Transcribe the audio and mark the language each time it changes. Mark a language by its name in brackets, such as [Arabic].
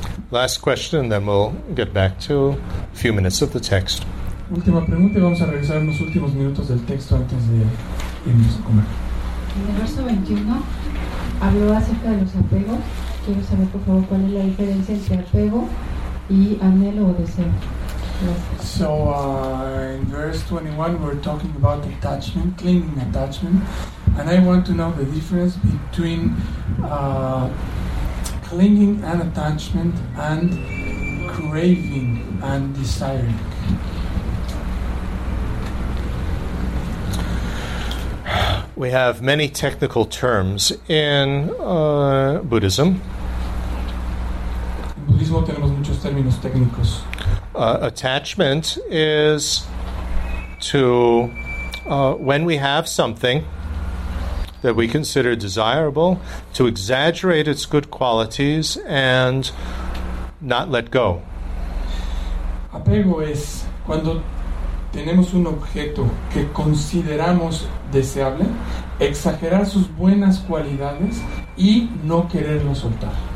[English] Last question, then we'll get back to a few minutes of the text. [Spanish] Última pregunta, y vamos a revisar unos últimos minutos del texto antes de irnos a comer. En el verso 21 habló acerca de los apegos. Quiero saber, por favor, cuál es la diferencia entre apego y anhelo o deseo. [English] So, in verse 21, we're talking about attachment, clinging attachment, and I want to know the difference between clinging and attachment and craving and desiring. We have many technical terms in Buddhism. [Spanish] En budismo tenemos muchos términos técnicos. [English] Attachment is to when we have something that we consider desirable, to exaggerate its good qualities and not let go. [Spanish] Apego es cuando tenemos un objeto que consideramos deseable, exagerar sus buenas cualidades y no quererlo soltar.